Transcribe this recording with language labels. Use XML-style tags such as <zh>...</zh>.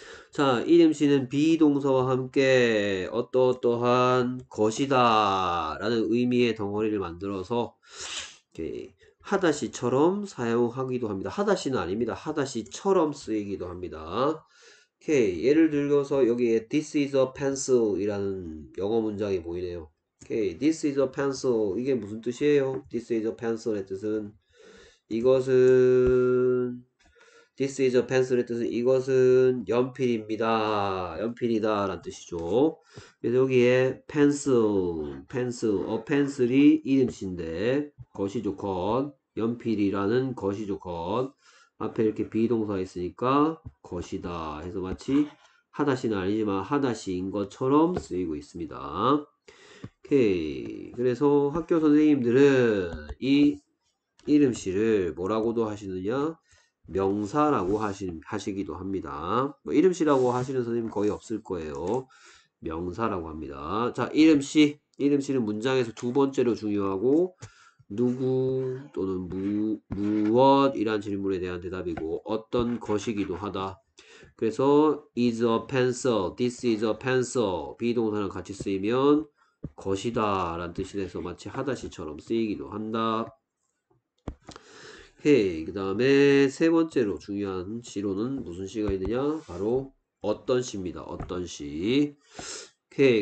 <ko>자, 이름시는 비동사와 함께 어떠어떠한 것이다 라는 의미의 덩어리를 만들어서 이렇게 하다시처럼 사용하기도 합니다. 하다시는 아닙니다. 하다시처럼 쓰이기도 합니다. 오케이. 예를 들어서 여기에</ko> <en>This is a pencil</en> <ko>이라는 영어 문장이 보이네요. 오케이.</ko> <en>This is a pencil.</en> <ko>이게 무슨 뜻이에요?</ko> <en>This is a pencil</en> <ko>의 뜻은 이것은 This is a pencil의 뜻은 이것은 연필입니다. 연필이다 라는 뜻이죠. 그래서 여기에 pencil, a pencil이 이름 뜻인데 것이 좋건 연필이라는 것이 좋건 앞에 이렇게 비동사 있으니까 것이다 해서 마치 하다시는 아니지만 하다시인 것처럼 쓰이고 있습니다. 오케이. 그래서 학교 선생님들은 이 이름씨를 뭐라고도 하시느냐? 명사라고 하시기도 합니다. 뭐 이름씨라고 하시는 선생님 거의 없을 거예요. 명사라고 합니다. 자, 이름씨. 이름씨는 문장에서 두 번째로 중요하고, 누구 또는 무엇이란 질문에 대한 대답이고, 어떤 것이기도 하다. 그래서,</ko> <en>is a pencil, this is a pencil.</en> <ko>비동사랑 같이 쓰이면, 것이다. 라는 뜻이 돼서 마치 하다시처럼 쓰이기도 한다. 오케이. 그 다음에 세 번째로 중요한 시로는 무슨 시가 있느냐? 바로 어떤 시입니다. 어떤 시. 오케이.</ko>